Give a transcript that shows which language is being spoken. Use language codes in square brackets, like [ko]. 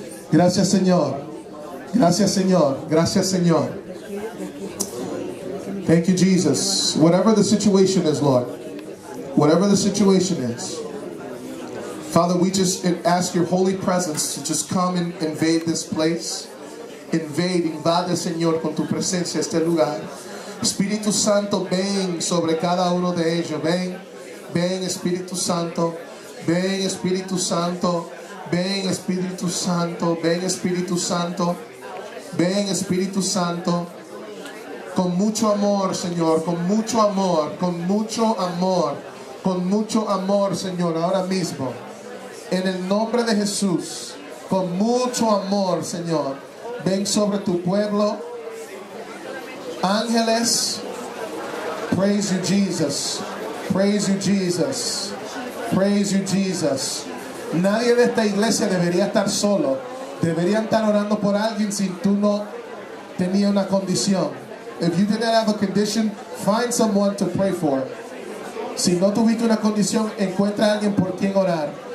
[es] Gracias, Señor. Gracias, Señor. Gracias, Señor. [en] Thank you, Jesus. Whatever the situation is, Lord. Whatever the situation is. Father, we just ask your holy presence to just come and invade this place. [es] Invade, Señor, con tu presencia este lugar. Espíritu Santo, ven sobre cada uno de ellos. Ven, ven, Espíritu Santo. Ven, Espíritu Santo. Ven, Espíritu Santo. Ven, Espíritu Santo. Ven, Espíritu Santo. con mucho amor, Señor, con mucho amor, con mucho amor, con mucho amor, Señor, ahora mismo, en el nombre de Jesús, con mucho amor, Señor, ven sobre tu pueblo, ángeles, [en] praise you, Jesus, praise you, Jesus, [es] praise you, Jesus. Nadie de esta iglesia debería estar solo. Deberían estar orando por alguien si tú no tenías una condición. [en] If you did not have a condition, find someone to pray for. [es] Si no tuviste una condición, encuentra a alguien por quien orar.